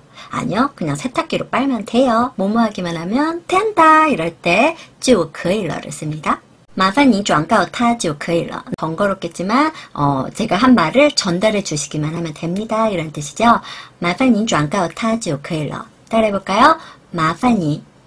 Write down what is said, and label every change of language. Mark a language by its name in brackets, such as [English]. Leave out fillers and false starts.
[Korean] 아니요, 그냥 세탁기로 빨면 돼요. 뭐뭐 하기만 하면 된다 이럴 때 [Chinese] 就可以了 [Korean] 를 씁니다. [Chinese] 麻烦您转告他就可以了. [Korean] 번거롭겠지만 제가 한 말을 전달해 주시기만 하면 됩니다 이런 뜻이죠. [Chinese] 麻烦您转告他就可以了. [Korean] 따라해 볼까요? 麻烦您